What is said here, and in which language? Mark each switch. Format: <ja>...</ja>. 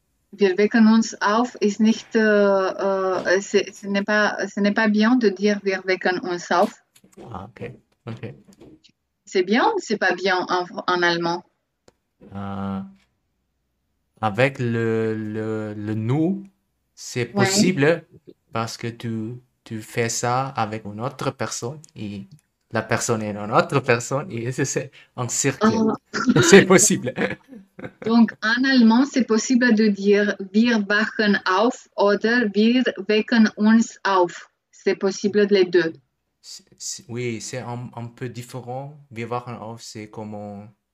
<de>Wir wecken uns auf ist nicht,</de> <fr>ce n'est pas bien de dire</fr> <de>wir wecken uns auf. Ok.</de> <fr>C'est bien ou c'est pas bien en allemand? Avec le nous, c'est Oui. possible parce que tu fais ça avec une autre personne et la personne est une autre personne et c'est un cercle. C'est possible. Donc, en allemand, c'est possible de dire</fr> <de>wir wachen auf oder wir wecken uns auf.</de> <fr>C'est possible les deux. Oui, c'est un peu différent.</fr> <de>Wir wachen auf,</de> <fr>c'est comme un.</fr>